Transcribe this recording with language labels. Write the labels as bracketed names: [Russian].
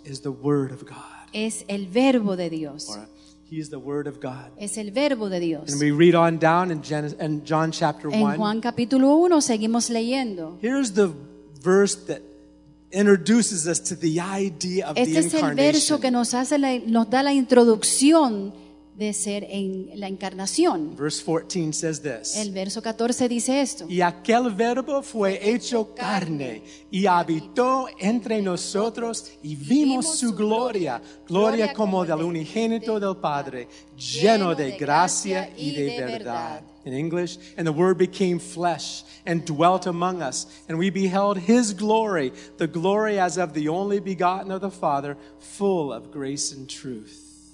[English] Is the Word of God. [Spanish] Es el Verbo de Dios. [English] He is the Word of God. [Spanish] Es el Verbo de Dios. [English] And we read on down in John chapter 1. [Spanish] En Juan capítulo 1 seguimos leyendo. [English] Here's the verse that introduces us to the idea of [Spanish] este [English] the incarnation. [Spanish] Este es el verso que nos da la introducción de ser en la encarnación. [English] Verse 14 says this. [Spanish] El verso 14 dice esto. Y aquel Verbo fue hecho carne y habitó entre nosotros y vimos su gloria, gloria como del unigénito del Padre, lleno de gracia y de verdad. [English] In English, and the Word became flesh and dwelt among us, and we beheld His glory, the glory as of the only begotten of the Father, full of grace and truth.